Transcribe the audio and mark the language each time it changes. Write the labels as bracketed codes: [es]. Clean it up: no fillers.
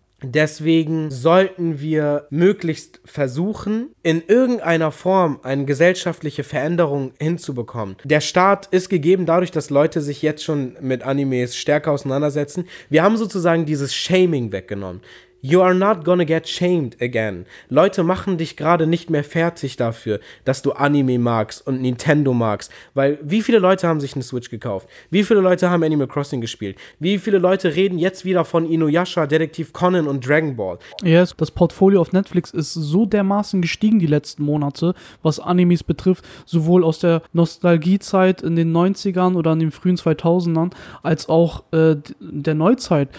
[de] Deswegen sollten wir möglichst versuchen, in irgendeiner Form eine gesellschaftliche Veränderung hinzubekommen. Der Start ist gegeben dadurch, dass Leute sich jetzt schon mit Animes stärker auseinandersetzen. Wir haben sozusagen dieses Shaming weggenommen. [en] You are not gonna get shamed again. [de] Leute machen dich gerade nicht mehr fertig dafür, dass du Anime magst und Nintendo magst. Weil wie viele Leute haben sich eine Switch gekauft? Wie viele Leute haben Animal Crossing gespielt? Wie viele Leute reden jetzt wieder von Inuyasha, Detektiv Conan und Dragon Ball? Yes, das Portfolio auf Netflix ist so dermaßen gestiegen die letzten Monate, was Animes betrifft, sowohl aus der Nostalgiezeit in den 90ern oder in den frühen 2000ern, als auch der Neuzeit.